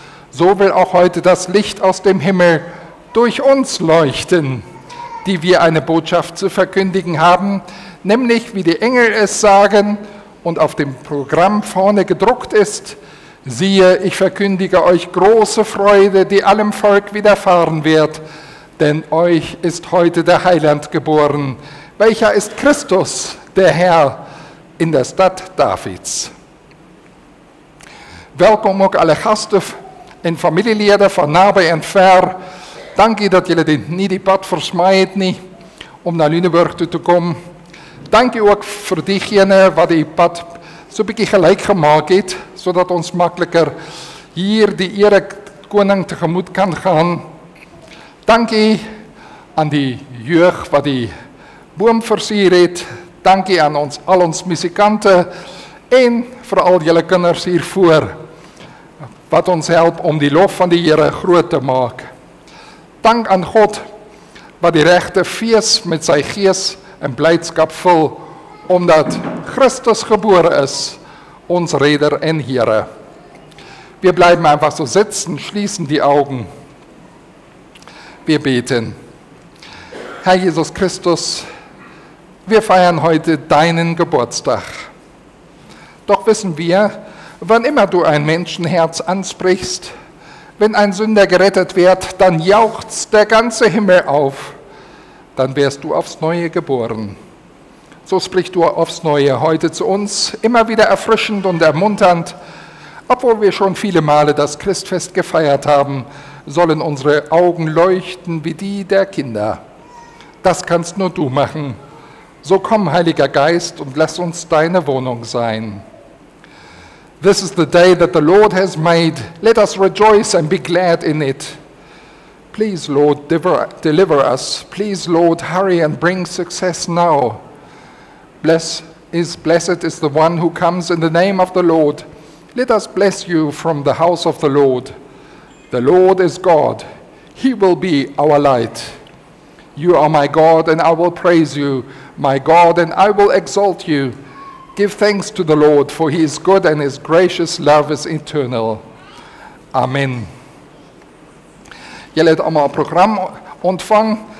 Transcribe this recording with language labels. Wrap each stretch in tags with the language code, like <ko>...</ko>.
<de>So will auch heute das Licht aus dem Himmel durch uns leuchten, die wir eine Botschaft zu verkündigen haben, nämlich wie die Engel es sagen und auf dem Programm vorne gedruckt ist: Siehe, ich verkündige euch große Freude, die allem Volk widerfahren wird, denn euch ist heute der Heiland geboren, welcher ist Christus, der Herr, in der Stadt Davids.</de> <nl>Welkom ook alle gasten en familieleden van nabij en ver. Dank je dat jullie niet die pad versmaaien niet om naar Lüneburg toe te komen. Dank je ook voor diegenen wat die pad zo beetje gelijk gemaakt heeft, zodat ons makkelijker hier die Ere Koning tegemoet kan gaan. Dank je aan die jeugd wat die boom versierd heeft. Dank je aan ons, al ons muzikanten en vooral jullie kinders hiervoor, wat ons helpt om die lof van die Here groot te maken. Dank aan God, wat die rechte feest met zijn geest en blijdschap vul, omdat Christus geboren is, ons Redder en Here. We blijven</nl> <de>einfach so sitzen, schließen die Augen. Wir beten. Herr Jesus Christus, wir feiern heute deinen Geburtstag. Doch wissen wir, wann immer du ein Menschenherz ansprichst, wenn ein Sünder gerettet wird, dann jauchzt der ganze Himmel auf, dann wärst du aufs Neue geboren. So sprichst du aufs Neue heute zu uns, immer wieder erfrischend und ermunternd. Obwohl wir schon viele Male das Christfest gefeiert haben, sollen unsere Augen leuchten wie die der Kinder. Das kannst nur du machen. So komm, Heiliger Geist, und lass uns deine Wohnung sein.</de> <en>This is the day that the Lord has made. Let us rejoice and be glad in it. Please, Lord, deliver us. Please, Lord, hurry and bring success now. Blessed is the one who comes in the name of the Lord. Let us bless you from the house of the Lord. The Lord is God. He will be our light. You are my God, and I will praise you. My God, and I will exalt you. Give thanks to the Lord, for he is good and his gracious love is eternal. Amen.</en> <nl>Jullie hebben allemaal een programma ontvangen.</nl>